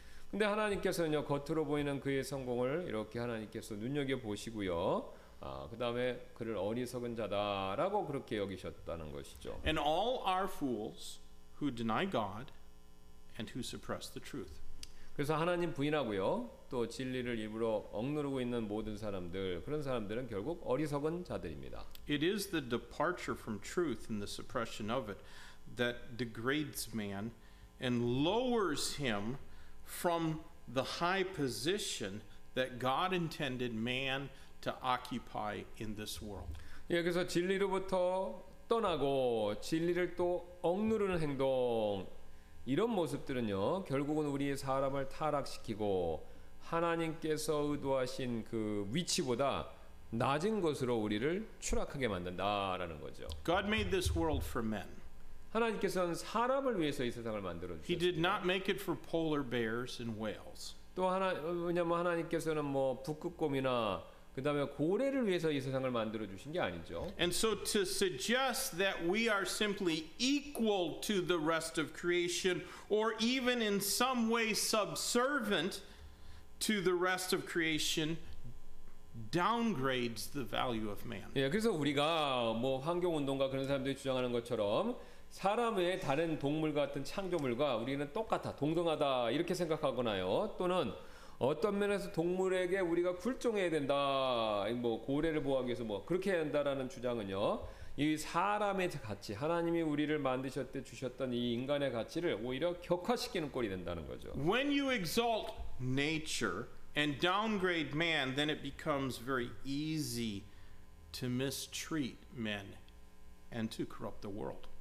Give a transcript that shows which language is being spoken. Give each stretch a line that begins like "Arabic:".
Korean: 근데 하나님께서는요 겉으로 보이는 그의 성공을 이렇게 하나님께서 눈여겨 보시고요. 그 다음에 그를 어리석은 자다라고 그렇게 여기셨다는 것이죠.
English: And all are fools who deny God and who suppress the truth.
Korean: 그래서 하나님 부인하고요, 또 진리를 일부러 억누르고 있는 모든 사람들, 그런 사람들은 결국 어리석은 자들입니다.
English: It is the departure from truth and the suppression of it that degrades man and lowers him from the high position that God intended man to occupy in this world.
Korean: 예, 그래서 진리로부터 떠나고 진리를 또 억누르는 행동. 이런 모습들은요, 결국은 우리의 사람을 타락시키고 하나님께서 의도하신 그 위치보다 낮은 것으로 우리를 추락하게 만든다라는 거죠.
English: God made this world for men.
Korean: 하나님께서는 사람을 위해서 이 세상을 만들어 주셨습니다.
English: He did not make it for polar bears and whales.
Korean: 또 하나 왜냐면 하나님께서는 뭐 북극곰이나 그다음에 고래를 위해서 이 세상을 만들어 주신 게 아니죠.
English: And so to suggest that we are simply equal to the rest of creation or even in some way subservient to the rest of creation downgrades the value of man.
Korean: 예, 그래서 우리가 뭐 환경 운동가 그런 사람들이 주장하는 것처럼 사람의 다른 동물 같은 창조물과 우리는 똑같아 동등하다 이렇게 생각하거나요 또는 어떤 면에서 동물에게 우리가 굴종해야 된다 뭐 고래를 보호하기 위해서 뭐 그렇게 해야 한다라는 주장은요 이 사람의 가치 하나님이 우리를 만드실 때 주셨던 이 인간의 가치를 오히려 격화시키는 꼴이 된다는 거죠
English: When you exalt nature and downgrade man then it becomes very easy to mistreat men and to corrupt the world